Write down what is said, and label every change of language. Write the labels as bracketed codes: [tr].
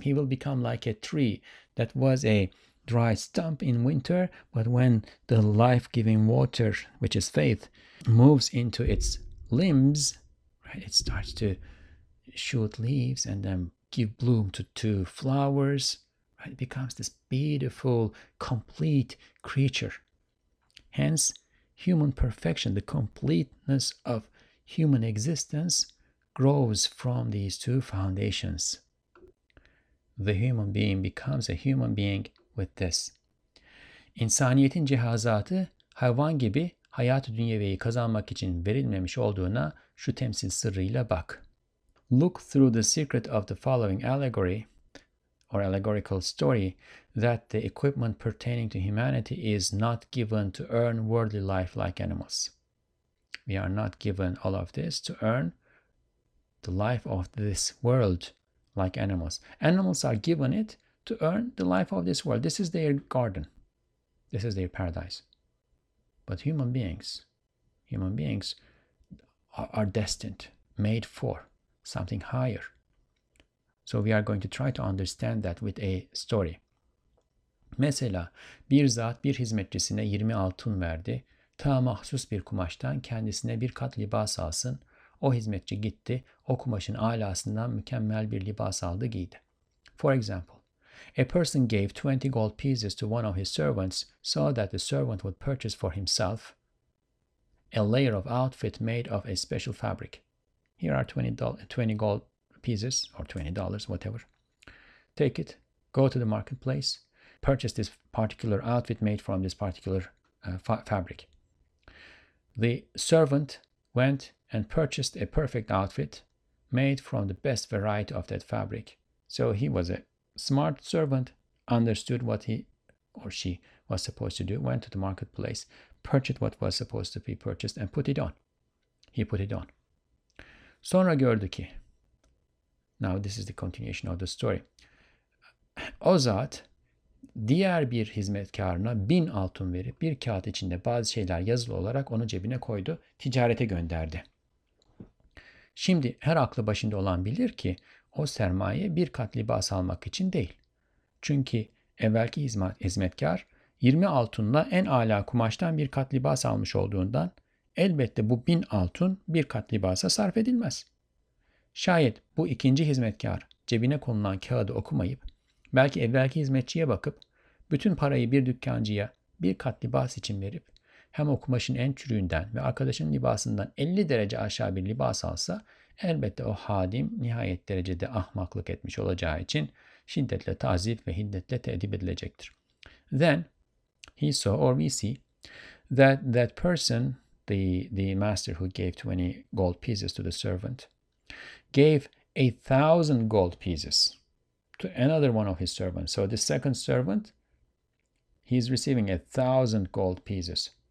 [en] He will become like a tree that was a dry stump in winter, but when the life-giving water, which is faith, moves into its limbs, right, it starts to shoot leaves and then give bloom to flowers, right? It becomes this beautiful, complete creature. Hence, human perfection, the completeness of human existence, grows from these two foundations. The human being becomes a human being with this. [tr] İnsaniyetin cihazatı hayvan gibi hayatı dünyeviyi kazanmak için verilmemiş olduğuna şu temsil sırrıyla bak. [en] Look through the secret of the following allegory or allegorical story that the equipment pertaining to humanity is not given to earn worldly life like animals. We are not given all of this to earn the life of this world like animals. Animals are given it to earn the life of this world. This is their garden. This is their paradise. But human beings are destined, made for something higher. So we are going to try to understand that with a story. [tr] Mesela bir zat bir hizmetçisine 20 altın verdi. Ta mahsus bir kumaştan kendisine bir kat libas alsın. O hizmetçi gitti, o kumaşın alasından mükemmel bir libas aldı giydi. [en] For example, a person gave 20 gold pieces to one of his servants so that the servant would purchase for himself a layer of outfit made of a special fabric. Here are 20 gold pieces or $20, whatever. Take it, go to the marketplace, purchase this particular outfit made from this particular fabric. The servant went and purchased a perfect outfit made from the best variety of that fabric. So he was a smart servant, understood what he or she was supposed to do, went to the marketplace, purchased what was supposed to be purchased, and put it on. He put it on. [tr] Sonra gördü ki. [en] Now this is the continuation of the story. [tr] O zat diğer bir hizmetkarına 1000 altın verip bir kağıt içinde bazı şeyler yazılı olarak onu cebine koydu, ticarete gönderdi. Şimdi her aklı başında olan bilir ki o sermaye bir kat libas almak için değil. Çünkü evvelki hizmetkar 20 altınla en âlâ kumaştan bir kat libas almış olduğundan elbette bu 1000 altın bir kat libasa sarf edilmez. Şayet bu ikinci hizmetkar cebine konulan kağıdı okumayıp belki evvelki hizmetçiye bakıp bütün parayı bir dükkancıya bir kat libas için verip hem o kumaşın en çürüğünden ve arkadaşının libasından 50 derece aşağı bir libas alsa elbette o hadim nihayet derecede ahmaklık etmiş olacağı için şiddetle tazip ve hiddetle tedip edilecektir. [en] Then he saw or we see that that person, the master who gave 20 gold pieces to the servant, gave 1,000 gold pieces to another one of his servants. So the second servant, he's receiving 1,000 gold pieces.